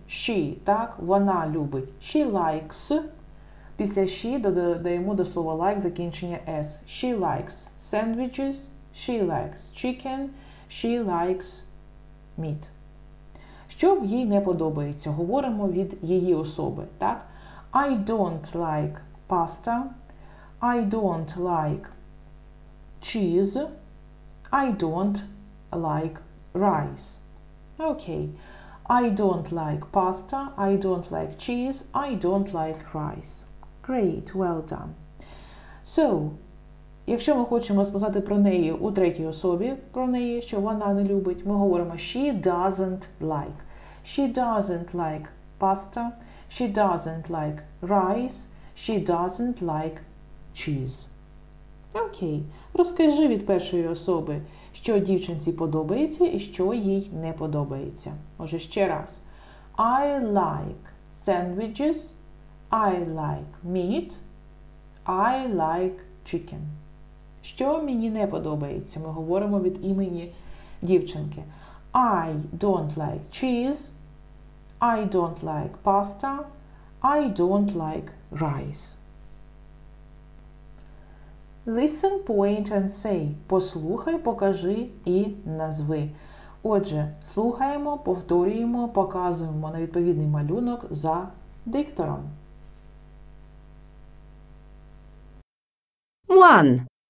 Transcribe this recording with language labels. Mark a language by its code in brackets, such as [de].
[uk] She, так? Вона любить. [en] She likes. [uk] Після she додаємо до слова like закінчення s. [en] She likes sandwiches, she likes chicken, she likes meat. [uk] Що в їй не подобається? Говоримо від її особи, так? [en] I don't like pasta. I don't like cheese, I don't like rice. Okay, I don't like pasta, I don't like cheese, I don't like rice. Great, well done. [uk] So, якщо ми хочемо сказати про неї у третій особі, про неї, що вона не любить, ми говоримо [en] she doesn't like. She doesn't like pasta, she doesn't like rice, she doesn't like cheese. [uk] Окей. Розкажи від першої особи, що дівчинці подобається і що їй не подобається. Може, ще раз. [en] I like sandwiches, I like meat, I like chicken. [uk] Що мені не подобається? Ми говоримо від імені дівчинки. [en] I don't like cheese, I don't like pasta, I don't like rice. Listen, point and say. [uk] Послухай, покажи і назви. Отже, слухаємо, повторюємо, показуємо на відповідний малюнок за диктором. [en] One.